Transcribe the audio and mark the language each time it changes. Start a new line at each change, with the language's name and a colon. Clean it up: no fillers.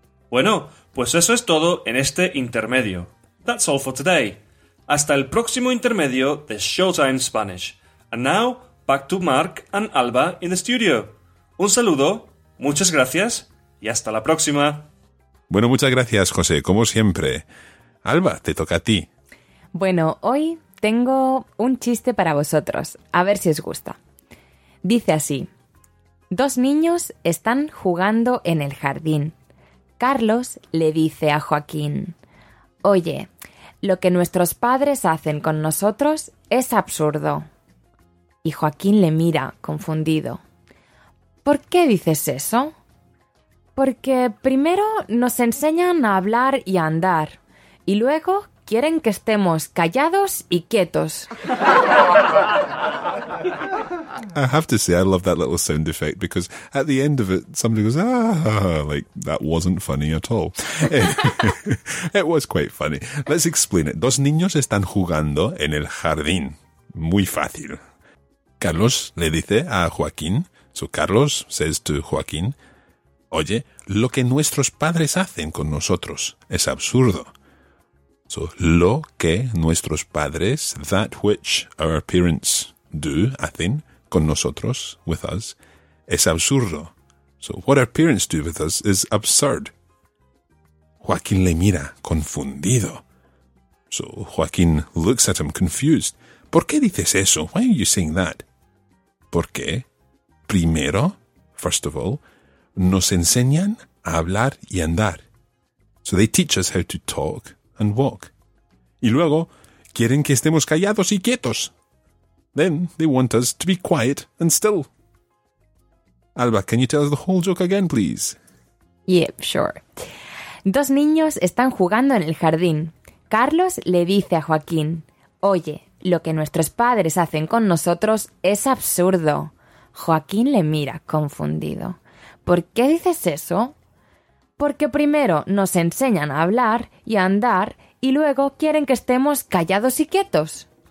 Spanish: Bueno, pues eso es todo en este intermedio.
English: That's all for today.
Spanish: Hasta el próximo intermedio de Showtime Spanish.
English: And now, back to Mark and Alba in the studio.
Spanish: Un saludo, muchas gracias y hasta la próxima. Bueno, muchas gracias, José, como siempre. Alba, te toca a ti. Bueno, hoy tengo un chiste para vosotros, a ver si os gusta. Dice así. Dos niños están jugando en el jardín. Carlos le dice a Joaquín. Oye, lo que nuestros padres hacen con nosotros es absurdo. Y Joaquín le mira, confundido. ¿Por qué dices eso? Porque primero nos enseñan a hablar y a andar, y luego quieren que estemos callados y quietos.
English: I have to say, I love that little sound effect, because at the end of it, somebody goes, ah, like, that wasn't funny at all. It was quite funny. Let's explain it.
Spanish: Dos niños están jugando en el jardín. Muy fácil. Carlos le dice a Joaquín,
English: so Carlos says to Joaquín,
Spanish: oye, lo que nuestros padres hacen con nosotros es absurdo. So, lo que nuestros padres,
English: that which our parents do,
Spanish: hacen con nosotros,
English: with us,
Spanish: es absurdo.
English: So, what our parents do with us is absurd.
Spanish: Joaquín le mira confundido.
English: So, Joaquín looks at him confused.
Spanish: ¿Por qué dices eso?
English: Why are you saying that?
Spanish: Porque, primero,
English: first of all,
Spanish: nos enseñan a hablar y andar.
English: So they teach us how to talk and walk.
Spanish: Y luego, quieren que estemos callados y quietos.
English: Then they want us to be quiet and still. Alba, can you tell us the whole joke again, please? Yep, sure.
Spanish: Dos niños están jugando en el jardín. Carlos le dice a Joaquín, oye, lo que nuestros padres hacen con nosotros es absurdo. Joaquín le mira, confundido. ¿Por qué dices eso? Porque primero nos enseñan a hablar y a andar y luego quieren que estemos callados y quietos.